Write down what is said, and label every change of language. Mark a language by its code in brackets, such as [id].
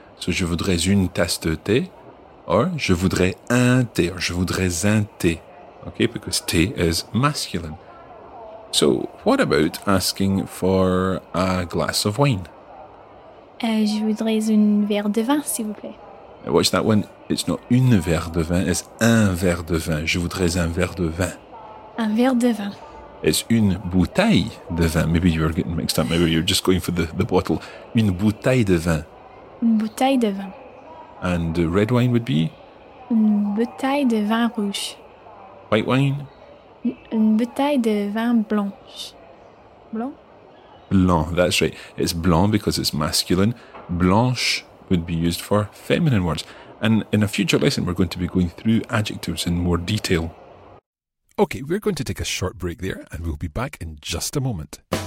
[fr] So, je voudrais une tasse de thé. Or, je voudrais un thé. Or, je voudrais un thé. [en] Okay, because thé is masculine. So, what about asking for a glass of wine? [fr] Je voudrais un verre de vin, s'il vous plaît. [en] Now watch that one. It's not [fr] une verre de vin, it's un verre de vin. Je voudrais un verre de vin. Un verre de vin. [en] It's [fr] une bouteille de vin. [en] Maybe you're getting mixed up. Maybe you're just going for the bottle. [fr] Une bouteille de vin. Une bouteille de vin. [en] And red wine would be? [fr] Une bouteille de vin rouge. [en] White wine? [fr] Une bouteille de vin blanche. Blanc? [en] Blanc, that's right. It's blanc because it's masculine. Blanche would be used for feminine words. And in a future lesson, we're going to be going through adjectives in more detail. Okay, we're going to take a short break there, and we'll be back in just a moment.